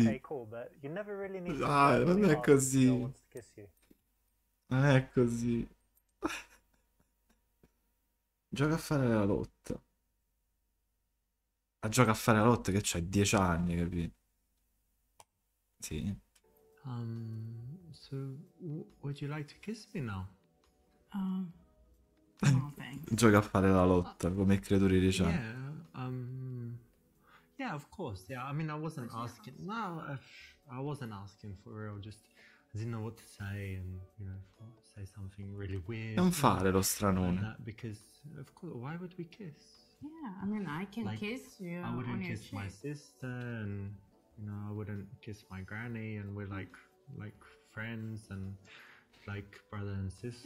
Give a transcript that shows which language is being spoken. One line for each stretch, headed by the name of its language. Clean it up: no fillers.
English: Okay, cool,
Italian: non è così. Non è così. Gioca a fare la lotta. Ma gioca a fare la lotta che c'hai 10 anni, capito? Sì.
English: So would you like to kiss me now?
Italian: Gioca a fare la lotta come creatori di 10 anni.
English: Yeah, of course. Yeah, I mean, I wasn't asking. No, I wasn't asking for real. Just I didn't know what to say, and you know, say something really weird.
Italian: Non fare lo stranone.
English: Because of course, why would we kiss? Yeah, I mean, I can like, kiss you. I wouldn't kiss my sister, and you know, I wouldn't kiss my granny, and we're like friends and like brother and sister.